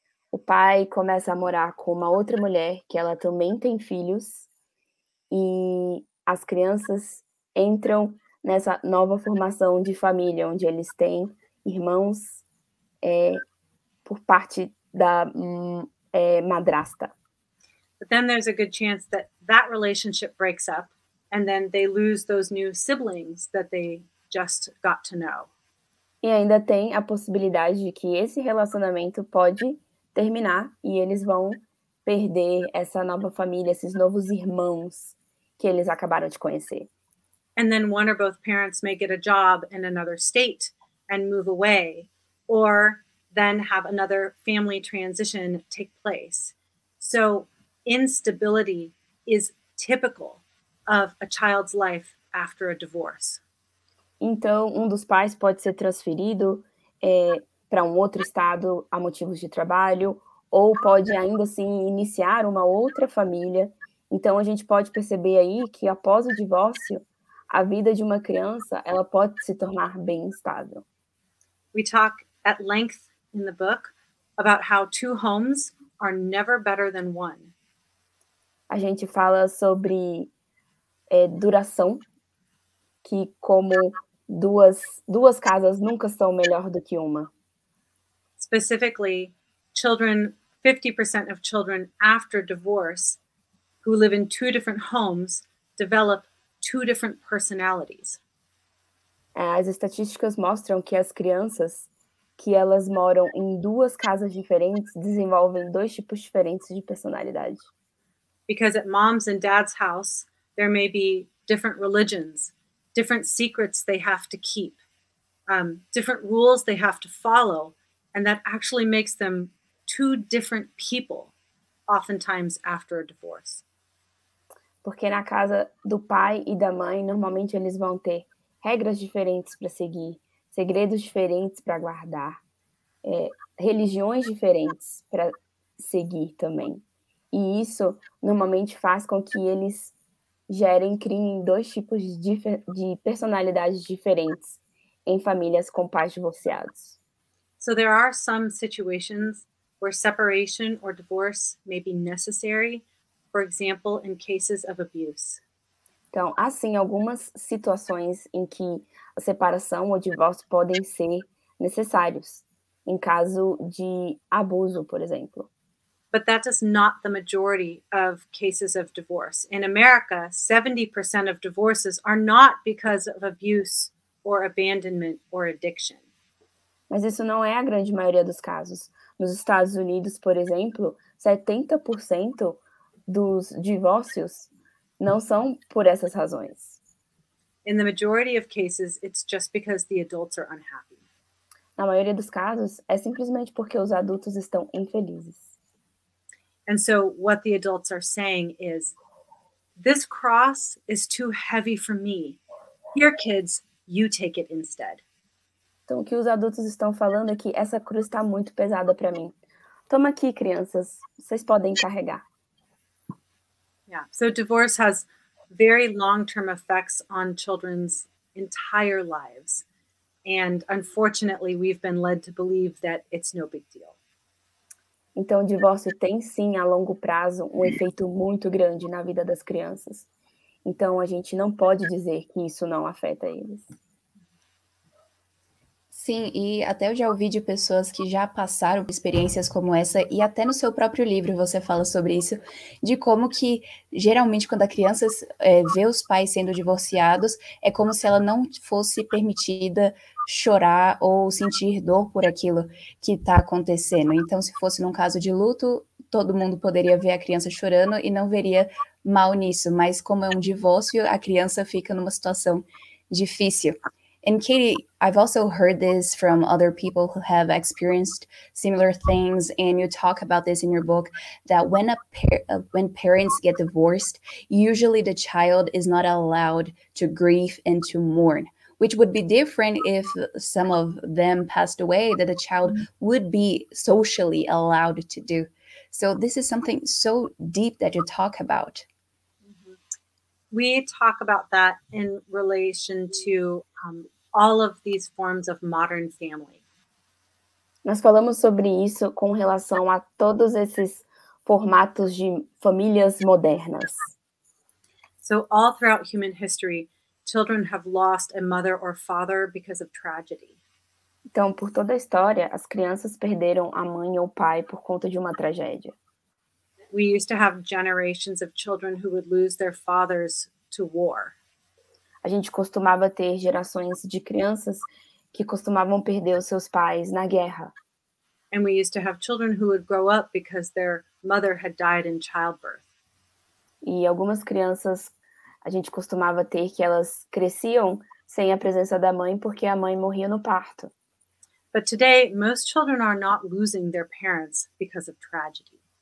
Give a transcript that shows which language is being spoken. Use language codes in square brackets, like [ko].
[pt] O pai começa a morar com uma outra mulher, que ela também tem filhos, e as crianças entram nessa nova formação de família, onde eles têm irmãos por parte da madrasta. [en] But then there's a good chance that that relationship breaks up, and then they lose those new siblings that they just got to know. [pt] E ainda tem a possibilidade de que esse relacionamento pode terminar e eles vão perder essa nova família, esses novos irmãos que eles acabaram de conhecer. [en] And then one or both parents may get a job in another state and move away, or then have another family transition take place. So instability is typical of a child's life after a divorce. [pt] Então, dos pais pode ser transferido para outro estado a motivos de trabalho, ou pode ainda assim iniciar uma outra família. Então, a gente pode perceber aí que após o divórcio, a vida de uma criança, ela pode se tornar bem instável. [en] We talk at length in the book about how two homes are never better than one. [pt] A gente fala sobre duração, que como duas casas nunca são melhor do que uma. [en] Specifically, children, 50% of children after divorce who live in two different homes develop two different personalities. [pt] As estatísticas mostram que as crianças que elas moram em duas casas diferentes desenvolvem dois tipos diferentes de personalidade. [en] Because at mom's and dad's house, there may be different religions, different secrets they have to keep, different rules they have to follow, and that actually makes them two different people, oftentimes after a divorce. [pt] Porque na casa do pai e da mãe, normalmente eles vão ter regras diferentes para seguir, segredos diferentes para guardar, religiões diferentes para seguir também. E isso normalmente faz com que eles gerem crime em dois tipos de personalidades diferentes em famílias com pais divorciados. [en] So there are some situations where separation or divorce may be necessary, for example, in cases of abuse. [pt] Então, há sim algumas situações em que a separação ou divórcio podem ser necessários, em caso de abuso, por exemplo. [en] But that is not the majority of cases of divorce. In America, 70% of divorces are not because of abuse or abandonment or addiction. [pt] Mas isso não é a grande maioria dos casos. Nos Estados Unidos, por exemplo, 70% dos divórcios não são por essas razões. [en] In the majority of cases, it's just because the adults are unhappy. [pt] Na maioria dos casos, é simplesmente porque os adultos estão infelizes. [en] And so what the adults are saying is, this cross is too heavy for me. Here, kids, you take it instead. [pt] Então, o que os adultos estão falando é que essa cruz está muito pesada para mim. Toma aqui, crianças, vocês podem carregar. [en] Yeah, so divorce has very long-term effects on children's entire lives. And unfortunately, we've been led to believe that it's no big deal. [pt] Então, o divórcio tem, sim, a longo prazo, um efeito muito grande na vida das crianças. Então, a gente não pode dizer que isso não afeta eles. Sim, e até eu já ouvi de pessoas que já passaram experiências como essa, e até no seu próprio livro você fala sobre isso, de como que, geralmente, quando a criança vê os pais sendo divorciados, é como se ela não fosse permitida chorar ou sentir dor por aquilo que está acontecendo. Então, se fosse num caso de luto, todo mundo poderia ver a criança chorando e não veria mal nisso. Mas como é um divórcio, a criança fica numa situação difícil. [en] And Katie, I've also heard this from other people who have experienced similar things, and you talk about this in your book, that when when parents get divorced, usually the child is not allowed to grieve and to mourn, which would be different if some of them passed away, that the child would be socially allowed to do. So this is something so deep that you talk about. We talk about that in relation to all of these forms of modern family. [pt] Nós falamos sobre isso com relação a todos esses formatos de famílias modernas. [en] So all throughout human history, children have lost a mother or father because of tragedy. [pt] Então, por toda a história, as crianças perderam a mãe ou o pai por conta de uma tragédia. [en] We used to have generations of children who would lose their fathers to war. [pt] A gente costumava ter gerações de crianças que costumavam perder os seus pais na guerra. [en] And we used to have children who would grow up because their mother had died in childbirth. [pt] E algumas crianças a gente costumava ter que elas cresciam sem a presença da mãe porque a mãe morria no parto. [en] But today, most children are not losing their parents because of tragedy.